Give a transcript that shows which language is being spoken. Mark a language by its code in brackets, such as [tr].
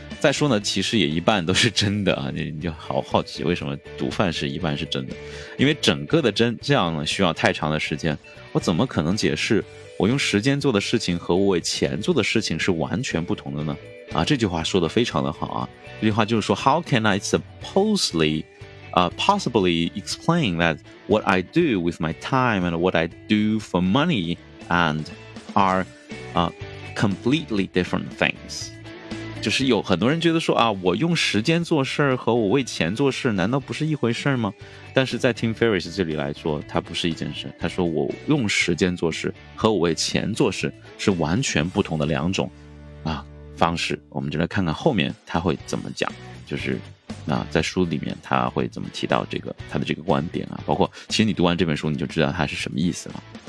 [zh] 再说呢，其实也一半都是真的啊。你就好好奇，为什么毒贩是一半是真的？因为整个的真相呢，需要太长的时间。我怎么可能解释我用时间做的事情和我以前做的事情是完全不同的呢？啊，这句话说的非常的好啊。这句话就是说 [en] ，How can I supposedly? Possibly explain that what I do with my time and what I do for money and are completely different things. [zh] 就是有很多人觉得说啊，我用时间做事和我为钱做事难道不是一回事吗？但是在 Tim Ferriss 这里来说，它不是一件事。他说我用时间做事和我为钱做事是完全不同的两种啊方式。我们就来看看后面他会怎么讲，就是。那在书里面他会怎么提到这个他的这个观点啊，包括其实你读完这本书你就知道他是什么意思了。